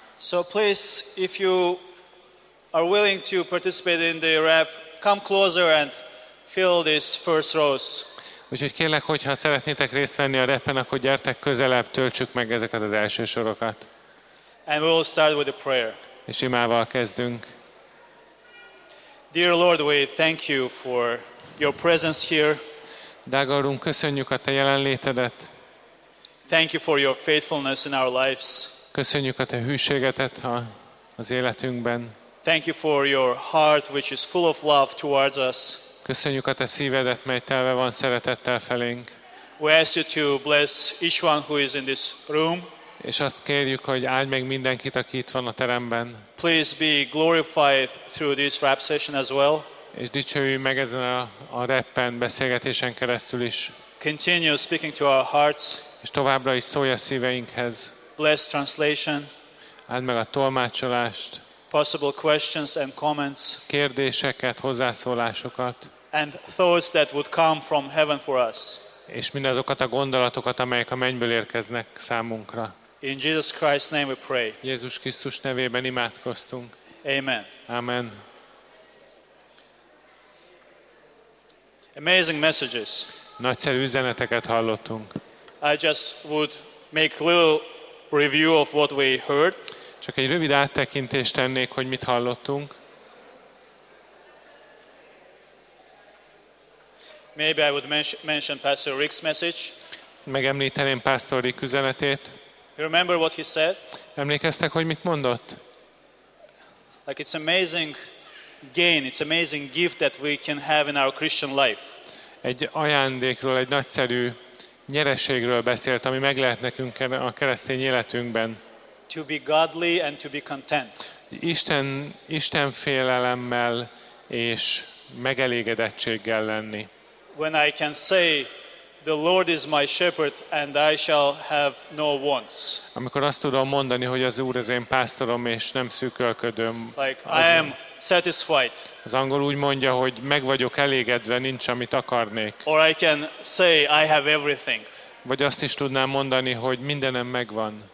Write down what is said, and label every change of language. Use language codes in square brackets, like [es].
[en] So please, if you are willing to participate in the rep, come closer and fill this first rows. [hu] Úgyhogy kérlek, hogyha szeretnétek részt venni a repen, akkor gyertek közelebb, töltsük meg ezeket az első sorokat. [en] And we will start with a prayer. [hu] És imával kezdünk. [en] Dear Lord, we thank you for your presence here. [hu] Drága Urunk, köszönjük a te jelenlétedet. [en] Thank you for your faithfulness in our lives. [hu] Köszönjük a te hűségetet az életünkben. [en] Thank you for your heart, which is full of love towards us. [hu] Köszönjük a te szívedet, mely telve van szeretettel felénk. [en] We ask you to bless each one who is in this room. [hu] És azt kérjük, hogy áldj meg mindenkit, aki itt van a teremben. [en] Please be glorified through this rap session as well. [hu] És dicsőjünk meg ezen a rappen beszélgetésen keresztül is. [en] Continue speaking to our hearts. [hu] És továbbra is szólj a szíveinkhez. [en] Bless translation. [hu] Áld meg a tolmácsolást. [en] Possible questions and comments. [hu] Kérdéseket, hozzászólásokat. [en] And thoughts that would come from heaven for us. [hu] És mindazokat a gondolatokat, amelyek a mennyből érkeznek számunkra. [en] In Jesus Christ's name we pray. [hu] Jézus Krisztus nevében imádkoztunk. [en] Amen. [hu] Amen. [en] Amazing messages. [hu] Nagyszerű üzeneteket hallottunk. [en] I just would make a little review of what we heard. [hu] Csak egy rövid áttekintést tennék, hogy mit hallottunk. [en] Maybe I would mention Pastor Rick's message. [hu] Megemlíteném Pastor Rick üzenetét. [en] You remember what he said? [hu] Emlékeztek, hogy mit mondott? [en] Like it's amazing gain, it's amazing gift that we can have in our Christian life. [hu] Egy ajándékról, egy nagyszerű nyereségről beszélt, ami meg lehet nekünk a keresztény életünkben. [en] To be godly and to be content. [hu] Isten félelemmel és megelégedettséggel lenni. [en] When I can say the Lord is my shepherd and I shall have no wants. [hu] Amikor azt tudom mondani, hogy az Úr az én pásztorom és nem szűkölködöm. [en] Like I am satisfied. [hu] Az angol úgy mondja, hogy meg vagyok elégedve, nincs amit akarnék. [en] Or I can say I have everything. [hu] Vagy azt is tudnám mondani, hogy mindenem megvan.